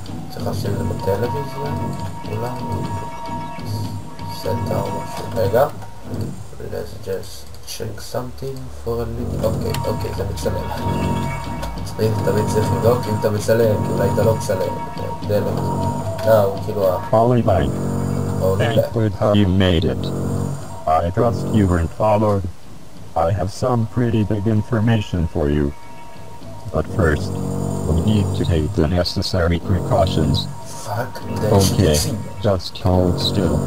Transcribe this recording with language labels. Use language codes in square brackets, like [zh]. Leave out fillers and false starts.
[he] צריך לשים את זה בטלוויזיה, אולי? סנטר או משהו. רגע. [en] Let's just check something for a little... [he] אוקיי, אוקיי, זה מצלם. צריך, תמיד צריך לדאוג אם אתה מצלם, כי אולי אתה לא מצלם. דלק. נאו, כאילו ה... פולי ביי. [en] Thankfully how you made it. I trust you weren't followed. I have some pretty big information for you. But first... We need to take the necessary precautions. Fuck that. Okay, just hold still.